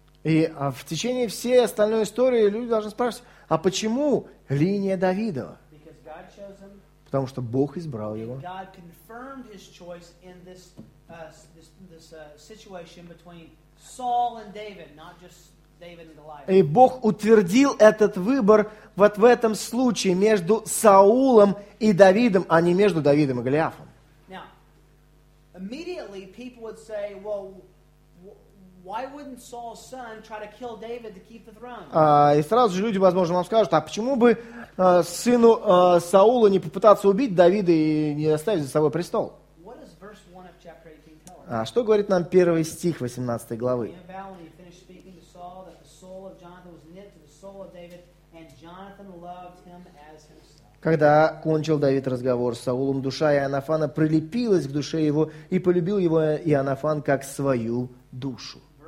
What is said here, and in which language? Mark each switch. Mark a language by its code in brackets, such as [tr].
[ru] И в течение всей остальной истории люди должны спрашивать, а почему линия Давидова? [en] Because God chose him, [ru] потому что Бог избрал его. [en] God confirmed his choice in this, this situation between Saul and David, not just David and Goliath. [ru] И Бог утвердил этот выбор вот в этом случае между Саулом и Давидом, а не между Давидом и Голиафом. [en] Now, immediately people would say, well, why wouldn't Saul's son try to kill David to keep the throne? [ru] И сразу же люди, возможно, вам скажут, а почему бы сыну Саула не попытаться убить Давида и не оставить за собой престол? [en] What does verse 1 of chapter 18 tell us? [ru] Что говорит нам первый стих 18 главы? [en] In the valley, he finished speaking to Saul that the soul of Jonathan was knit to the soul of David, and Jonathan loved him as himself. [ru] Когда кончил Давид разговор с Саулом, душа Иоаннафана прилепилась к душе его и полюбил его Иоаннафан как свою душу.